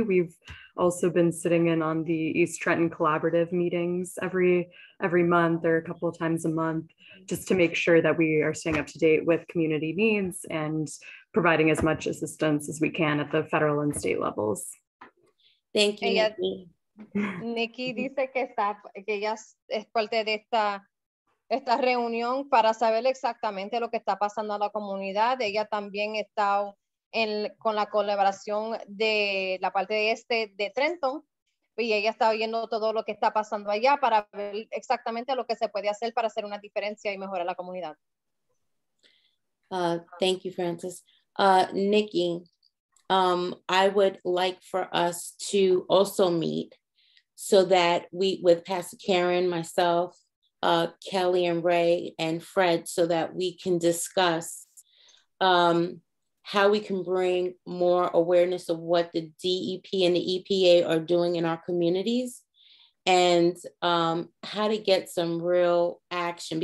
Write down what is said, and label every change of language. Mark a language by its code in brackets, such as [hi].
[en] We've also been sitting in on the East Trenton Collaborative meetings every month or a couple of times a month, just to make sure that we are staying up to date with community needs and providing as much assistance as we can at the federal and state levels. Thank you. [es] Ella, Nikki dice que está, que ella es parte de esta esta reunión para saber exactamente lo que está pasando a la comunidad. Ella también está en, con la colaboración de la parte de este de Trenton, y ella está viendo todo lo que está pasando allá para ver exactamente lo que se puede hacer para hacer una diferencia y mejorar la comunidad. [en] Thank you, Francis. Nikki, I would like for us to also meet so that we, with Pastor Karen, myself, Kelly and Ray and Fred, so that we can discuss how we can bring more awareness of what the DEP and the EPA are doing in our communities and how to get some real action.